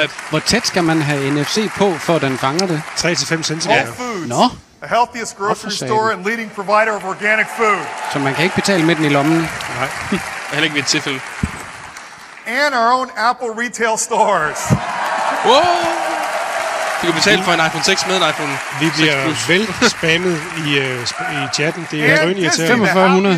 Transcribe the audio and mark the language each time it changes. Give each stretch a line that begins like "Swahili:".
Danish: Hvor tæt skal man have NFC på, for den fanger det? 3-5 centimeter.
English: Whole Foods, no? The healthiest grocery store and leading provider of organic food.
Danish: Så man kan ikke betale med den i lommen. Nej, heller ikke ved tilfælde.
English: And our own Apple retail stores.
Danish: Whoa! Du kan betale for en iPhone 6 med en iPhone 6 Plus. Vi bliver vel spammet i chatten. Det er rønt irriterende.